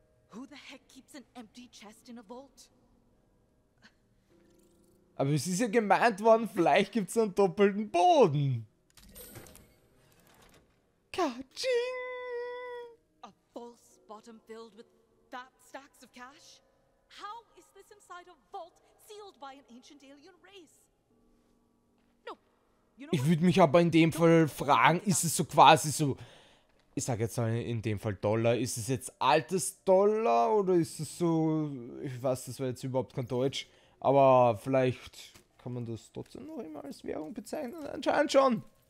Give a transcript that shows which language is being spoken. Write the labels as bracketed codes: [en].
[en] Who the heck keeps an empty chest in a vault? [de] Aber es ist ja gemeint worden, vielleicht gibt es einen doppelten Boden. [en] Ka-ching! A false bottom filled with that stacks of cash? How is this inside a vault sealed by an ancient alien race? No. You know, [de] ich würde mich aber in dem Fall fragen, ist es so quasi so, ich sag jetzt mal in dem Fall Dollar, ist es jetzt altes Dollar oder ist es so, ich weiß, das war jetzt überhaupt kein Deutsch. Aber vielleicht kann man das trotzdem noch immer als Währung bezeichnen. Anscheinend schon.